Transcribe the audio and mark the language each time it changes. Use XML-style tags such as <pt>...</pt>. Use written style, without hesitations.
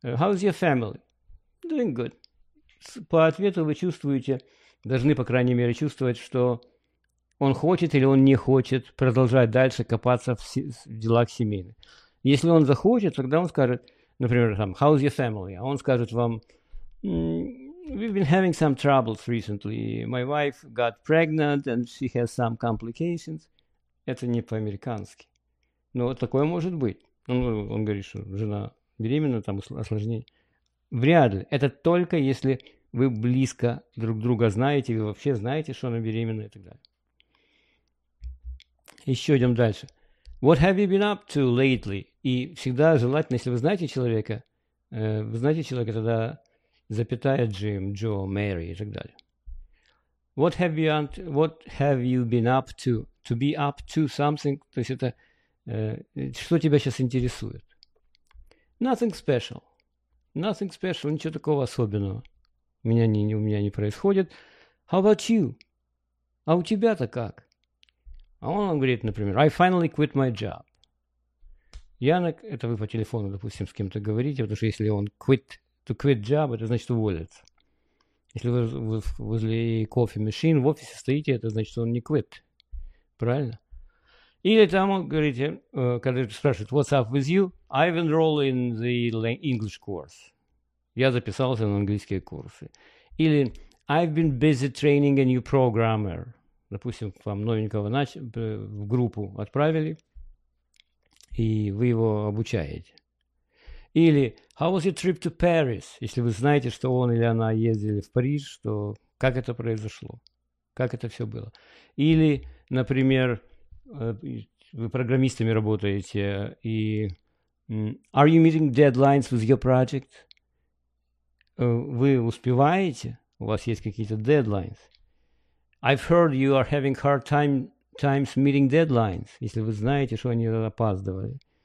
<en>How's your family? Doing good.</en> <ru>По ответу вы чувствуете, должны, по крайней мере, чувствовать, что он хочет или он не хочет продолжать дальше копаться в делах семейных. Если он захочет, тогда он скажет, например, там,</ru> <en>how's your family?</en> <ru>А он скажет вам,</ru> <en>we've been having some troubles recently. My wife got pregnant and she has some complications.</en> <ru>Это не по-американски. Но такое может быть. Он говорит, что жена беременна, там осложнение. Вряд ли. Это только если вы близко друг друга знаете, вы вообще знаете, что она беременна и так далее. Еще идем дальше.</ru> <en>What have you been up to lately?</en> <ru>И всегда желательно, если вы знаете человека, тогда запятая Джим, Джо, Мэри и так далее.</ru> <en>What have you been up to? To be up to something.</en> <ru>То есть это, что тебя сейчас интересует?</ru> <en>Nothing special. Nothing special,</en> <ru>ничего такого особенного у меня не происходит.</ru> <en>How about you?</en> <ru>А у тебя-то как? А он говорит, например,</ru> <en>I finally quit my job.</en> <ru>Это вы по телефону, допустим, с кем-то говорите, потому что если он quit,</ru> <en>to quit job,</en> <ru>это значит уволиться. Если вы возле кофе машин в офисе стоите, это значит, что он не quit. Правильно? Или там он говорит, когда спрашивает,</ru> <en>what's up with you? I've enrolled in the English course.</en> <ru>Я записался на английские курсы. Или</ru> <en>I've been busy training a new programmer.</en> <ru>Допустим, вам новенького в группу отправили, и вы его обучаете. Или</ru> <en>how was your trip to Paris?</en> <ru>Если вы знаете, что он или она ездили в Париж, то как это произошло? Как это все было? Или, например, вы программистами работаете, и</ru> <en>are you meeting deadlines with your project?</en> <ru>Вы успеваете? У вас есть какие-то deadlines?</ru> <en>I've heard you are having hard times meeting deadlines.</en> <ru>Если вы знаете, что они опаздывали.</ru>